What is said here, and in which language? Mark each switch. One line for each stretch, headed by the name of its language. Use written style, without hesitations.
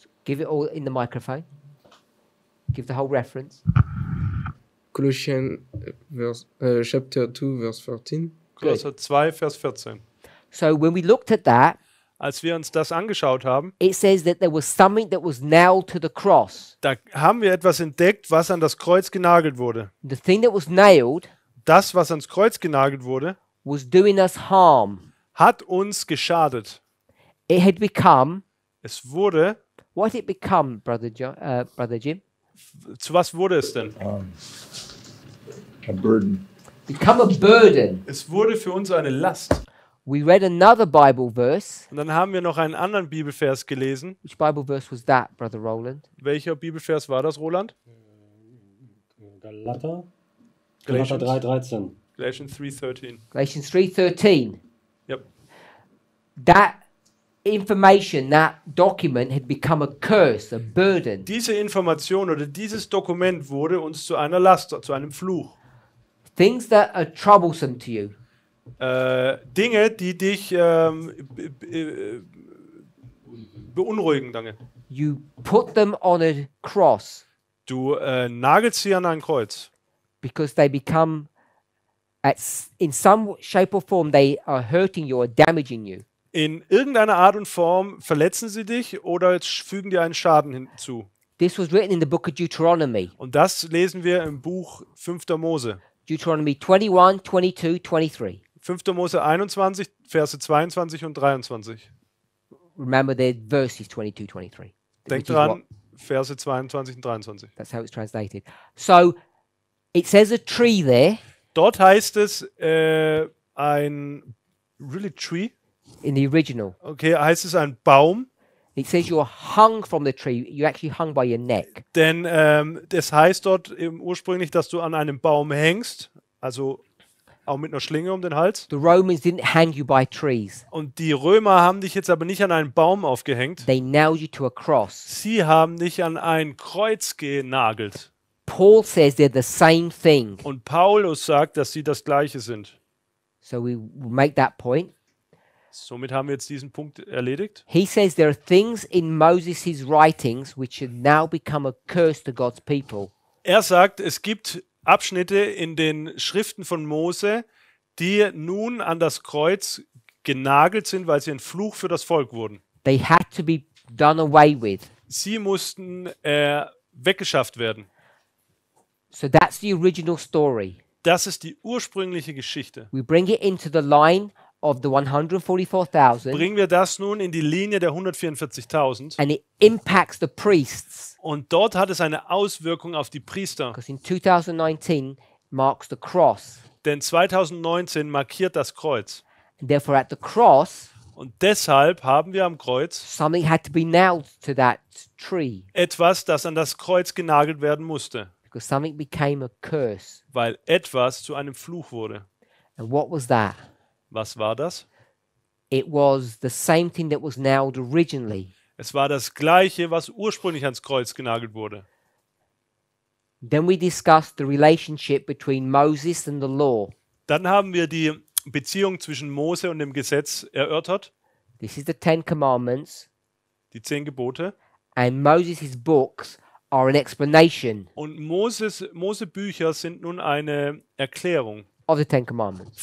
English: Give it all in the microphone. Give the whole reference. Colossians verse, chapter 2, verse 14.
German: Kolosser 2, Vers 14.
English: So when we looked at that,
German: als wir uns das angeschaut haben,
English: it says that there was something that was nailed to the cross.
German: Da haben wir etwas entdeckt, was an das Kreuz genagelt wurde.
English: The thing that was nailed,
German: das, was ans Kreuz genagelt wurde,
English: was doing us harm.
German: Hat uns geschadet.
English: It had become,
German: es wurde,
English: what it become, Brother, Brother Jim?
German: Zu was wurde es denn?
English: A burden. Become a burden.
German: Es wurde für uns eine Last.
English: We read another Bible verse.
German: Und dann haben wir noch einen anderen Bibelvers gelesen.
English: Which Bible verse was that, Brother Roland?
German: Welcher Bibelvers war das, Roland? Galater. Galater 3:13.
English: Galatians 3:13. Yep. That information, that document had become a curse, a burden.
German: Diese Information oder dieses Dokument wurde uns zu einer Last, zu einem Fluch.
English: Things that are troublesome to you.
German: Dinge, die dich beunruhigen, danke.
English: You put them on a cross.
German: Du nagelst sie an ein Kreuz.
English: Because they become in some shape or form they are hurting you or damaging you.
German: In irgendeiner Art und Form verletzen sie dich oder fügen dir einen Schaden hinzu.
English: This was written in the book of Deuteronomy.
German: Und das lesen wir im Buch 5. Mose.
English: Deuteronomy 21, 22, 23.
German: 5. Mose 21, Verse 22 und 23.
English: Remember the verses 22, 23.
German: Denk dran, Verse 22 und 23.
English: That's how it's translated. So, it says a tree there.
German: Dort heißt es ein
English: really tree. In the original.
German: Okay, heißt es ein Baum.
English: It says you're hung from the tree. You actually hung by your neck.
German: Denn das heißt dort eben ursprünglich, dass du an einem Baum hängst, also auch mit einer Schlinge um den Hals.
English: The Romans didn't hang you by trees.
German: Und die Römer haben dich jetzt aber nicht an einen Baum aufgehängt.
English: They nailed you to a cross.
German: Sie haben dich an ein Kreuz genagelt.
English: Paul says they're the same thing.
German: Und Paulus sagt, dass sie das Gleiche sind.
English: So we make that point.
German: Somit haben wir jetzt diesen Punkt erledigt.
English: He says there are things in Moses' writings which have now become a curse to God's people.
German: Er sagt, es gibt Abschnitte in den Schriften von Mose, die nun an das Kreuz genagelt sind, weil sie ein Fluch für das Volk wurden.
English: They had to be done away with.
German: Sie mussten weggeschafft werden.
English: So that's the original story.
German: Das ist die ursprüngliche Geschichte.
English: We bring it into the line of the 144,000.
German: Bringen wir das nun in die Linie der 144,000.
English: And it impacts the priests.
German: Und dort hat es eine Auswirkung auf die Priester.
English: Because in 2019 marks the cross.
German: Denn 2019 markiert das Kreuz.
English: And therefore at the cross.
German: Und deshalb haben wir am Kreuz
English: something had to be nailed to that tree.
German: Etwas, das an das Kreuz genagelt werden musste.
English: Because something became a curse.
German: Weil etwas zu einem Fluch wurde.
English: And what was that?
German: Was war das?
English: It was the same thing that was nailed originally.
German: Es war das Gleiche, was ursprünglich ans Kreuz genagelt wurde.
English: Then we discussed the relationship between Moses and the law.
German: Dann haben wir die Beziehung zwischen Mose und dem Gesetz erörtert.
English: This is the Ten Commandments.
German: Die 10 Gebote.
English: And Moses' books are an explanation.
German: Und Mose Bücher sind nun eine Erklärung.
English: Of the Ten Commandments.